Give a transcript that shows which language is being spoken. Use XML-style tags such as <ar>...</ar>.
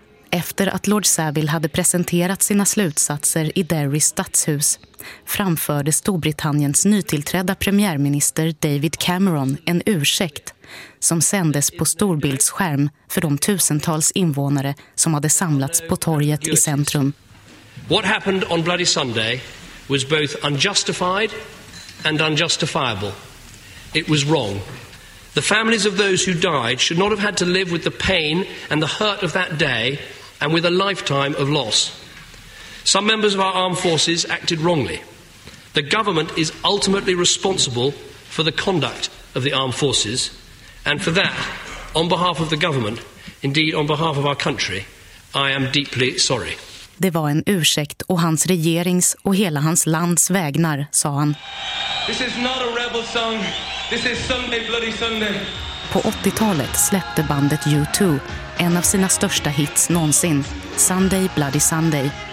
<sv>Efter att Lord Saville hade presenterat sina slutsatser i Derrys stadshus framförde Storbritanniens nytillträdda premiärminister David Cameron en ursäkt som sändes på storbildsskärm för de tusentals invånare som hade samlats på torget i centrum.</sv> <en>What happened on Bloody Sunday was both unjustified and unjustifiable. It was wrong. The families of those who died should not have had to live with the pain and the hurt of that day and with a lifetime of loss. Some members of our armed forces acted wrongly. The government is ultimately responsible for the conduct of the armed forces, And for that, on behalf of the government, indeed on behalf of our country, I am deeply sorry.</en> <sv>Det var en ursäkt och hans regerings och hela hans lands vägnar, sa han.</sv> <en>This is not a rebel song. This is Sunday Bloody Sunday.</en> <sv>På 80-talet släppte bandet U2 en av sina största hits någonsin, Sunday Bloody Sunday.</sv>